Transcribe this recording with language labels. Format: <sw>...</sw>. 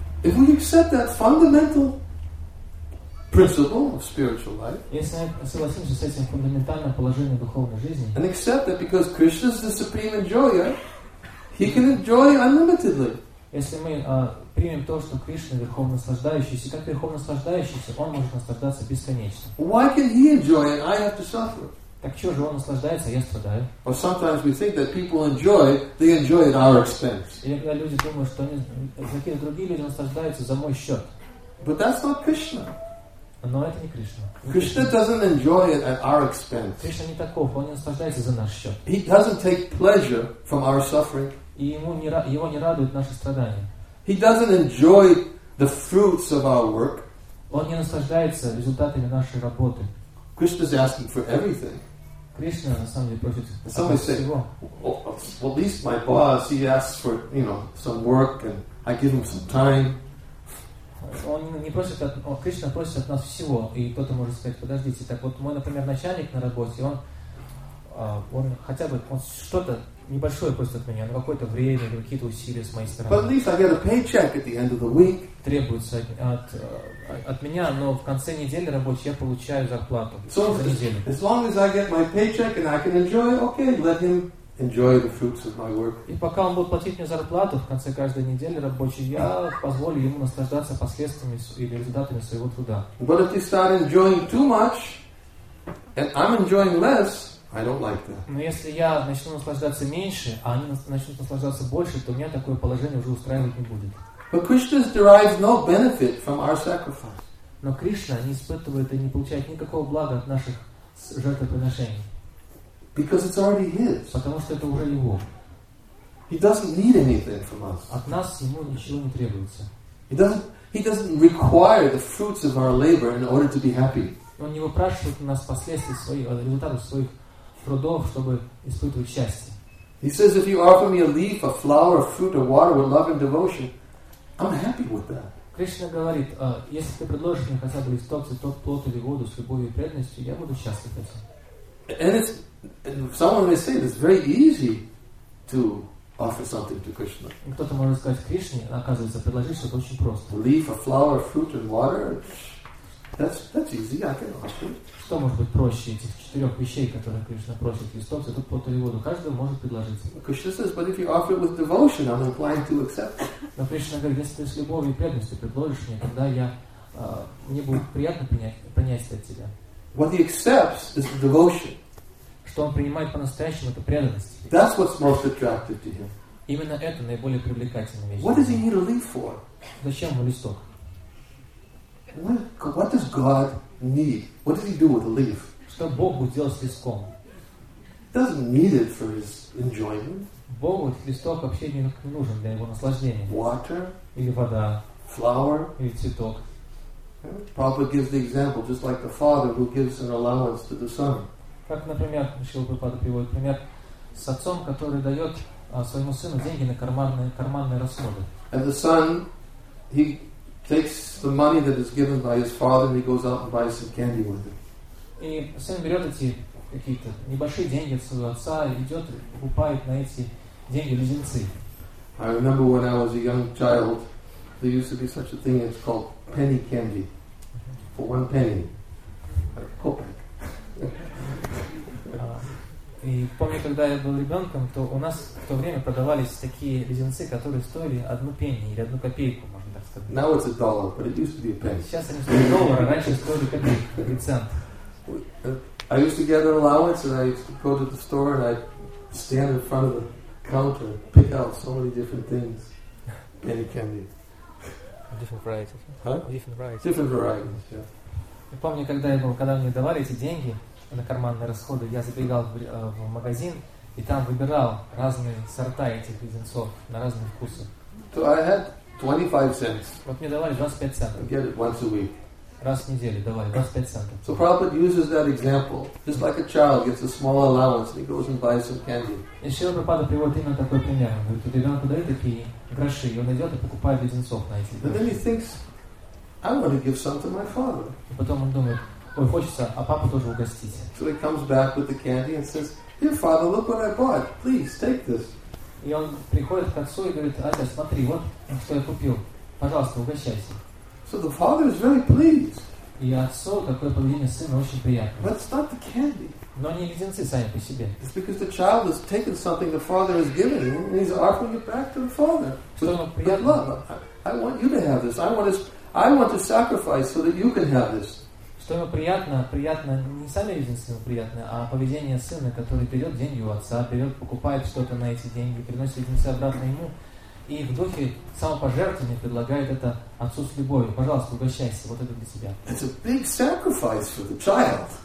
<en>If we accept that fundamental principle of spiritual life.</en> <ru>Если мы согласимся с этим фундаментальным положением духовной жизни.</ru> <en>And accept that because Krishna is the supreme enjoyer. He can enjoy unlimitedly.</en> <ru>Если мы примем то, что Кришна верховно наслаждающийся, как верховно наслаждающийся, он может наслаждаться бесконечно.</ru> <en>Why can he enjoy and I have to suffer?</en> <ru>Так чего же он наслаждается, а я страдаю?</ru> <en>Or sometimes we think that people enjoy, they enjoy at our expense.</en> <ru>И иногда люди думают, что они, какие-то другие люди наслаждаются за мой счет.</ru> <en>But that's not Krishna.</en> <ru>Но это не Кришна.</ru> <en>Krishna doesn't enjoy it at our expense.</en> <ru>Кришна не таков, он не наслаждается за наш счет.</ru> <en>He doesn't take pleasure from our suffering.</en> <ru>И его не радуют наши страдания.</ru> <en>He doesn't enjoy the fruits of our work.</en> <ru>Он не наслаждается результатами нашей работы.</ru> <en>Krishna is asking for everything.</en> <ru>Кришна на самом деле просит всего.</ru> <en>Some say, well, at least my boss, he asks for, you know, some work, and I give him some time.</en> <ru>Он не просит от Кришна просит от нас всего, и кто-то может сказать: подождите, так вот мой, например, начальник на работе, он хотя бы он что-то небольшое просит от меня, но какое-то время или какие-то усилия с моей стороны.</ru> <en>But at least I get a paycheck at the end of the week.</en> <ru>Требуется от меня, но в конце недели рабочей я получаю зарплату.</ru> <en>So as long as I get my paycheck and I can enjoy, okay, let him enjoy the fruits of my work.</en> <ru>И пока он будет платить мне зарплату в конце каждой недели рабочий, я позволю ему наслаждаться последствиями или результатами своего труда.</ru> <en>But if you start enjoying too much, and I'm enjoying less, I don't like that.</en> <ru>Но если я начну наслаждаться меньше, а они начнут наслаждаться больше, то меня такое положение уже устраивать не будет.</ru> <en>But Krishna derives no benefit from our sacrifice.</en> <ru>Но Кришна не испытывает и не получает никакого блага от наших жертвоприношений.</ru> <en>Because it's already his.</en> <ru>Потому что это уже его.</ru> <en>He doesn't need anything from us.</en> <ru>От нас ему ничего не требуется.</ru> <en>He doesn't require the fruits of our labor in order to be happy.</en> <ru>Он не выпрашивает у нас последствий своих результатов своих трудов, чтобы испытывать счастье.</ru> <en>He says, if you offer me a leaf, a flower, a fruit, or water with love and devotion, I'm happy with that.</en> <ru>Кришна говорит, если ты предложишь мне хотя бы листок, цветок, плод или воду с любовью и преданностью, я буду счастлив этим.</ru> <en>And it's, and someone may say it's very easy to offer something to Krishna.</en> <ru>Кто-то может сказать Кришне, оказывается, предложить что-то очень просто.</ru> <en>Leaf, a flower, fruit, and water. That's easy. I can offer it.</en> <ru>Что может быть проще этих четырех вещей, которые Кришна просит, листок, цветок, плод или воду? Каждый может предложить.</ru> <en>Krishna says, but if you offer it with devotion, I'm inclined to accept.</en> <ru>Но Кришна говорит, если ты с любовью и преданностью предложишь мне, тогда я мне будет приятно принять это от тебя.</ru> <en>What he accepts is the devotion.</en> <ru>Что он принимает по-настоящему, это преданность.</ru> <en>That's what's most attractive to him.</en> <ru>Именно это наиболее привлекательная вещь.</ru> <en>What does he need a leaf for?</en> <ru>Зачем ему листок?</ru> <en>What does God need? What does he do with a leaf?</en> <ru>Что Бог будет делать с листком?</ru> <en>Doesn't need it for his enjoyment.</en> <ru>Богу этот листок вообще не нужен для его наслаждения.</ru> <en>Water.</en> <ru>Или вода.</ru> <en>Flower.</en> <ru>Или цветок.</ru> <en>Prabhupada gives the example, just like the father who gives an allowance to the son.</en> <ru>Как, например, Шрила Прабхупада приводит пример с отцом, который дает своему сыну деньги на карманные расходы.</ru> <en>And the son, he takes the money that is given by his father and he goes out and buys some candy with it.</en> <ru>И сын берет эти какие-то небольшие деньги от своего отца и идет и покупает на эти деньги леденцы.</ru> <en>I remember when I was a young child, there used to be such a thing, it's called penny candy. For one penny. Like kopek.</en> <ru>И помню, когда я был ребенком, то у нас в то время продавались такие леденцы, которые стоили одну пенни или одну копейку, можно так сказать.</ru> <en>Now it's a dollar, but it used to be a penny.</en> <ru>Сейчас они стоят доллар, а раньше стоили копейку, цент.</ru> <en>I used to get an allowance and I used to go to the store and I'd stand in front of the counter and pick out so many different things. Penny candy. Different varieties. Huh? Different varieties. Different varieties, yeah.</en> <ru>Я помню, когда мне давали эти деньги на карманные расходы, я забегал в магазин и там выбирал разные сорта этих леденцов на разные вкусы.</ru> <en>So I had 25 cents.</en> <ru>Вот мне давали 25 центов.</ru> <en>I get it once a week.</en> <ru>Раз в неделю давали 25 центов.</ru> <en>So Prabhupada uses that example, just like a child gets a small allowance and he goes and buys some candy.</en> <ru>И Шрила Прабхупада приводит именно такой пример. Он говорит, ребенок дает такие гроши, и он идет и покупает леденцов на эти.</ru> <en>But then he thinks, I want to give some to my father.</en> <ru>И потом он думает, ой, хочется, а папу тоже угостить.</ru> <en>So he comes back with the candy and says, "Dear father, look what I bought. Please take this."</en> <ru>И он приходит к отцу и говорит, отец, смотри, вот что я купил. Пожалуйста, угощайся.</ru> <en>So the father is very pleased.</en> <ru>И отцу такое поведение сына очень приятно.</ru> <en>But it's not the candy.</en> <ru>Но не леденцы сами по себе.</ru> <en>It's because the child has taken something the father has given him and he's offering it back to the father. But love, I want you to have this. I want to sacrifice so that you can have this.</en> <ru>Что ему приятно не сами леденцы ему приятны, а поведение сына, который берет деньги у отца, берет, покупает что-то на эти деньги, приносит леденцы обратно ему, и в духе самопожертвования предлагает это отцу с любовью. Пожалуйста, угощайся, вот это для тебя.</ru> <en>It's a big sacrifice for the child.</en>